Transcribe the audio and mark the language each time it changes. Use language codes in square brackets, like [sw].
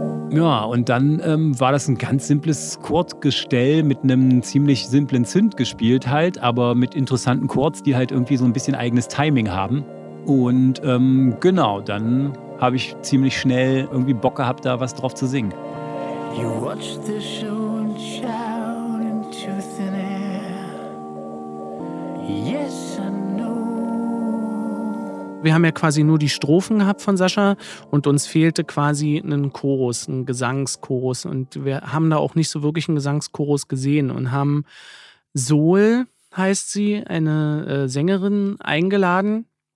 [de] Ja, und dann war das ein ganz simples Chordgestell mit einem ziemlich simplen Synth gespielt halt, aber mit interessanten Chords, die halt irgendwie so ein bisschen eigenes Timing haben. Und genau, dann habe ich ziemlich schnell irgendwie Bock gehabt, da was drauf zu singen. [en] You watch the show and shout into thin air. Yes, I know. [de] Wir haben ja quasi nur die Strophen gehabt von Sascha und uns fehlte quasi ein Chorus, ein Gesangschorus. Und wir haben da auch nicht so wirklich einen Gesangschorus gesehen und haben Sol, heißt sie, eine Sängerin, eingeladen.